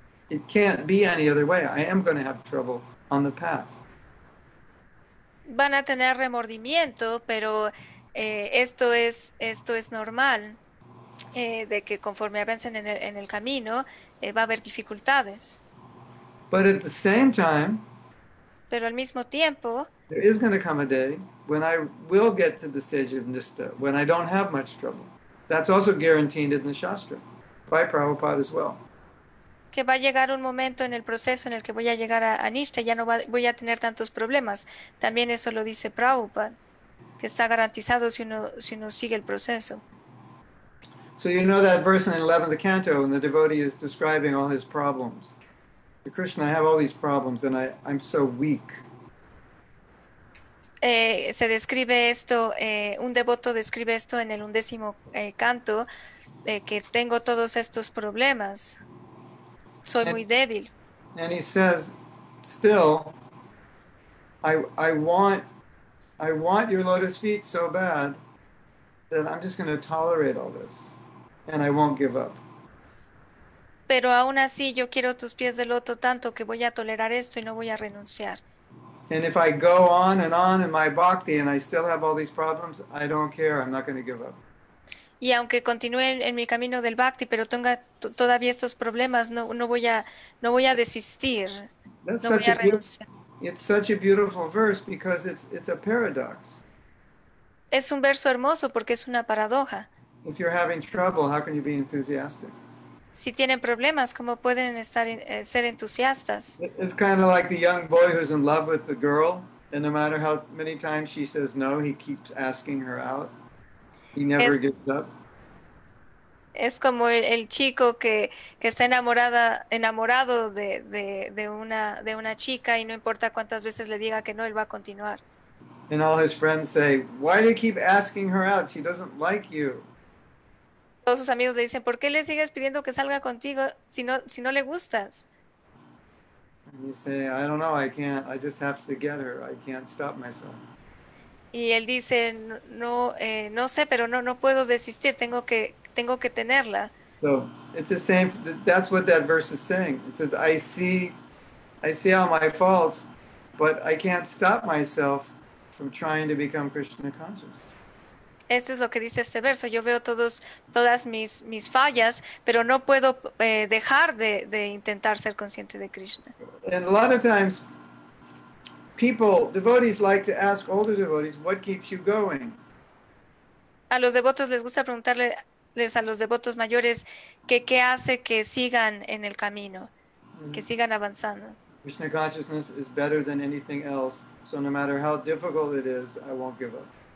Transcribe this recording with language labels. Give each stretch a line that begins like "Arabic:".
English: It can't be any other way. I am going to have trouble on the path.
Spanish: Van a tener remordimiento, pero esto es normal, de que conforme avancen en el camino, va a haber dificultades.
English: But at the same time,
Spanish: Pero al mismo tiempo,
English: there is going to come a day when I will get to the stage of Nista, when I don't have much trouble. That's also guaranteed in the Shastra, by Prabhupada as well.
Spanish: que va a llegar un momento en el proceso en el que voy a llegar a Nishtha, ya no voy a tener tantos problemas. También eso lo dice Prabhupada, que está garantizado si uno sigue el proceso.
English: So you know that verse in the 11th canto when the devotee is describing all his problems. Krishna, I have all these problems and I'm so weak.
Spanish: Se describe esto, un devoto describe esto en el undécimo canto, que tengo todos estos problemas. Soy muy débil.
English: And he says, still, I want your lotus feet so bad that I'm just going to tolerate all this and I won't give up.
Spanish: Pero aún así yo quiero tus pies de loto tanto que voy a tolerar esto y no voy a renunciar.
English: And if I go on in my bhakti and I still have all these problems, I don't care, I'm not going to give up.
Spanish: Y aunque continúe en mi camino del bhakti, pero tenga todavía estos problemas, no voy a desistir.
English: That's
Spanish: no voy a renunciar.
English: It's such a beautiful verse because it's a paradox.
Spanish: Es un verso hermoso porque es una paradoja.
English: If you're having trouble, how can you be enthusiastic?
Spanish: Si tienen problemas, ¿cómo pueden ser entusiastas?
English: It's kind of like the young boy who's in love with the girl, and no matter how many times she says no, he keeps asking her out. He never gives up.
Spanish: Es como el chico que está enamorado de una chica y no importa cuántas veces le diga que no, él va a continuar.
English: And all his friends say, "Why do you keep asking her out? She doesn't like you."
Spanish: Todos sus amigos le dicen, ¿por qué le sigues pidiendo que salga contigo si no le gustas?
English: You say, I don't know, I can't, I just have to get her, I can't stop myself.
Spanish: Y él dice, no sé, pero no puedo desistir, tengo que tenerla.
English: So, it's the same, that's what that verse is saying. It says, I see all my faults, but I can't stop myself from trying to become Krishna conscious.
Spanish: Esto es lo que dice este verso. Yo veo todas mis fallas, pero no puedo dejar de intentar ser consciente de Krishna.
English: And a lot of times, devotees like to ask older devotees, what keeps you going?
Spanish: A los devotos les gusta preguntarles a los devotos mayores qué hace que sigan en el camino, que sigan avanzando.
English: Krishna consciousness is better than anything else, so no matter how difficult it is, I won't give up.